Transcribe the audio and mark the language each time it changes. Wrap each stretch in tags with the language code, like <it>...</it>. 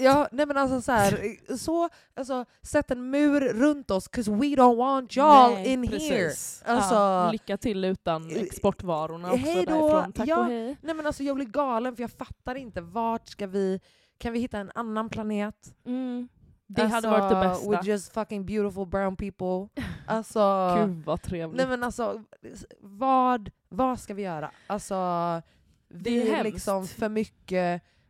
<sv>Ja, nej men alltså så sätt en mur runt oss,</sv> <en>'cause we don't want y'all in</en> <sv>precis.</sv> <en>Here.</en> <sv>Alltså, ja, lycka till utan exportvarorna också hejdå. Därifrån. Tack och hej. Nej men alltså jag blir galen för jag fattar inte, vart ska vi, kan vi hitta en annan planet? Det hade varit det bästa.</sv> <en>We're just fucking beautiful brown people.</en> <sv>Alltså, gud vad trevligt. Nej men alltså, vad ska vi göra? Alltså, vi är liksom för mycket...</sv>